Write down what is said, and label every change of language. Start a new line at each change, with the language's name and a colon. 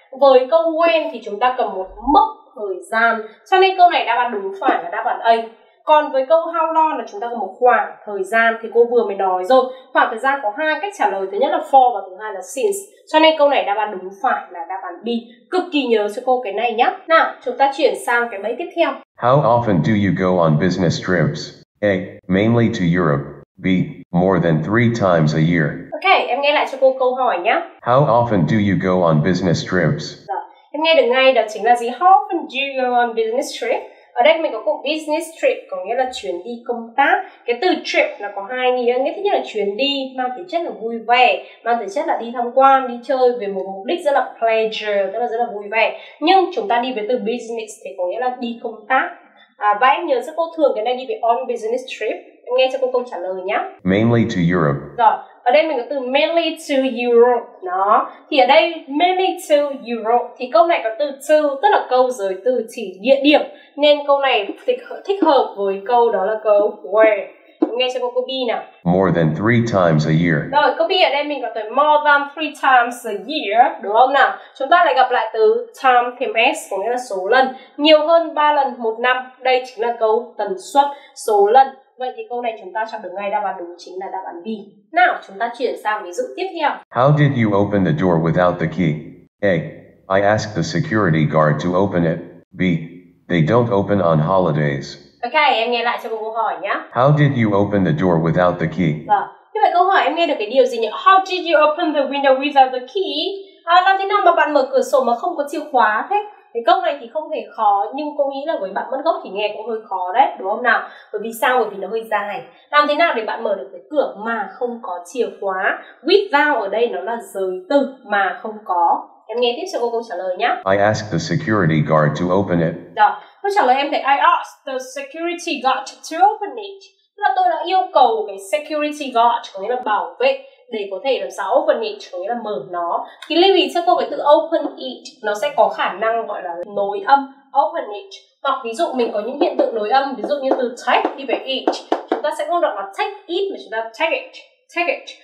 Vietnamese: Với câu when thì chúng ta cần một mốc thời gian, cho nên câu này đáp án đúng phải là đáp án A. Còn với câu how long là chúng ta cần một khoảng thời gian. Thì cô vừa mới nói rồi, khoảng thời gian có hai cách trả lời. Thứ nhất là for và thứ hai là since. Cho nên câu này đáp án đúng phải là đáp án B. Cực kỳ nhớ cho cô cái này nhá. Nào, chúng ta chuyển sang cái bẫy tiếp theo.
English: How often do you go on business trips? A. Mainly to Europe. B. More than 3 times a year.
Vietnamese: Ok, em nghe lại cho cô câu hỏi nhá.
English: How often do you go on business trips?
Vietnamese: Rồi, em nghe được ngay đó chính là gì?
English: How often do you go on business trips?
Vietnamese: Ở đây mình có câu business trip có nghĩa là chuyến đi công tác. Cái từ trip là có hai nghĩa. Nghĩa thứ nhất là chuyến đi mang tính chất là vui vẻ, mang tính chất là đi tham quan, đi chơi về một mục đích rất là pleasure, tức là rất là vui vẻ. Nhưng chúng ta đi với từ business thì có nghĩa là đi công tác. À, và em nhớ rất cô thường cái này đi về on business trip. Em nghe cho cô câu trả lời nhá.
English: Mainly to Europe.
Vietnamese: Rồi, ở đây mình có từ
English: mainly to Europe.
Vietnamese: Đó, thì ở đây mainly to Europe thì câu này có từ to, tức là câu giới từ chỉ địa điểm, nên câu này thích hợp với câu đó là câu where. Nghe cho câu B nào.
English: More than 3 times a year.
Vietnamese: Rồi, câu B ở đây mình có từ
English: more than 3 times a year,
Vietnamese: đúng không nào? Chúng ta lại gặp lại từ time thêm S, có nghĩa là số lần. Nhiều hơn 3 lần một năm, đây chính là câu tần suất, số lần. Vậy thì câu này chúng ta chọn được ngay đáp án đúng chính là đáp án B. Nào, chúng ta chuyển sang ví dụ tiếp theo.
English: How did you open the door without the key? A. I asked the security guard to open it. B. They don't open on holidays.
Vietnamese: Ok, em nghe lại cho cô câu hỏi nhá.
English: How did you open the door without the key?
Vietnamese: Vâng, như vậy câu hỏi em nghe được cái điều gì nhỉ?
English: How did you open the window without the key?
Vietnamese: À, làm thế nào mà bạn mở cửa sổ mà không có chìa khóa thế? Thì câu này thì không hề khó, nhưng cô nghĩ là với bạn mất gốc thì nghe cũng hơi khó đấy, đúng không nào? Bởi vì sao? Bởi vì nó hơi dài. Làm thế nào để bạn mở được cái cửa mà không có chìa khóa? Without ở đây nó là giới từ mà không có. Em nghe tiếp cho cô câu trả lời nhá.
English: I asked the security guard to open it.
Vietnamese: Rồi. Câu trả lời em thấy
English: I asked the security guard to open it.
Vietnamese: Là tôi đã yêu cầu cái security guard, có nghĩa là bảo vệ, để có thể làm sao open it, có nghĩa là mở nó. Thì lưu ý cho cô cái từ open it, nó sẽ có khả năng gọi là nối âm, open it. Hoặc ví dụ mình có những hiện tượng nối âm, ví dụ như từ take đi về it, chúng ta sẽ không đọc là take it mà chúng ta take it.